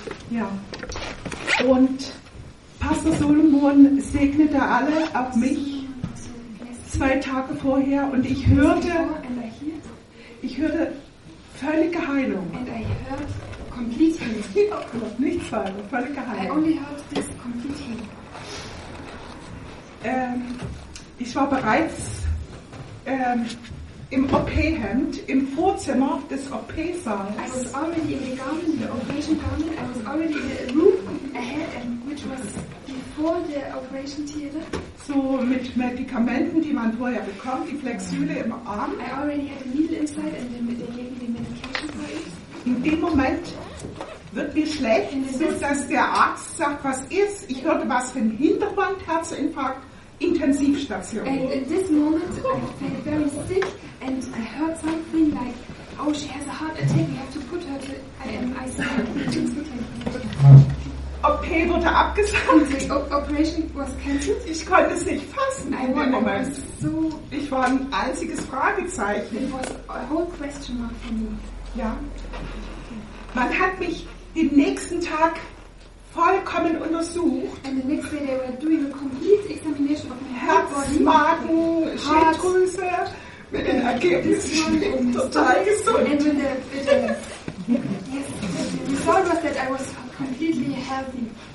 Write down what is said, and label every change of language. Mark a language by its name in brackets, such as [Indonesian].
[German] Ja. Und Pastor Solomon segnete alle auf mich 2 Tage vorher und ich hörte völlige Heilung. [English] And I heard complete healing. [German] Nicht völlige Heilung. [English] I only heard this complete healing. [German] Ich war bereits im OP-Hemd im Vorzimmer des OP-Saals. [English] I was already in the garment, the operation garment. I was already in the room ahead, and which was before the operation theater. [German] So mit Medikamenten, die man vorher bekommt, die Flexüle im Arm. [English] I already had a needle inside and they gave me the medication for it. [German] In dem Moment wird mir schlecht, bis dass der Arzt sagt, was ist. Ich hörte was für ein Hinterband, Herzinfarkt, Intensivstation. [English] And in this moment I felt very sick and I heard something like, oh, she has a heart attack, we have to put her to ICU. [German] OP wurde abgesagt. [English] Operation was cancelled. [German] Ich konnte es nicht fassen. In dem Moment. So ich war ein einziges Fragezeichen. [English] It was a whole question mark for me. [German] Ja. Man hat mich den nächsten Tag vollkommen untersucht. [English] And the next day they were doing a complete examination of my [German] Herz, Magen, Schilddrüse. Mit den Ergebnissen total gesund. [English] And with the yes, the result was that I was completely healthy.